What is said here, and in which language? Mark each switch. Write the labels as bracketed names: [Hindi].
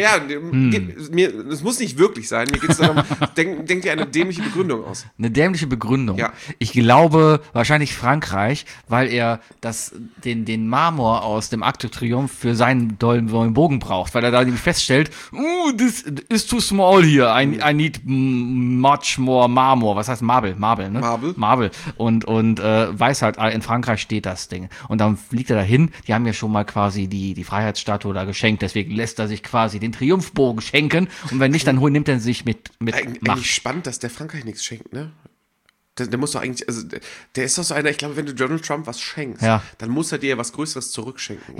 [German] Ja, es muss nicht wirklich sein. Mir geht es darum, denk dir eine dämliche Begründung aus. Eine dämliche Begründung? Ja. Ich glaube, wahrscheinlich Frankreich, weil er den Marmor aus dem Arc de Triomphe für seinen dollen neuen Bogen braucht. Weil er da nämlich feststellt, das ist [English] too small [German] hier. [English] I need much more Marmor, [German] was heißt [English] Marble? [German] Marble, ne? [English] Marble. [German] Und weiß halt, in Frankreich steht das Ding. Und dann fliegt er dahin. Die haben ja schon mal quasi die Freiheitsstatue da geschenkt. Deswegen lässt er sich quasi den Triumphbogen schenken. Und wenn nicht, dann nimmt er sich mit Macht. Eigentlich spannend, dass der Frankreich nichts schenkt, ne? Der muss doch eigentlich, also der ist doch so einer, ich glaube, wenn du Donald Trump was schenkst, dann muss er dir was Größeres zurückschenken.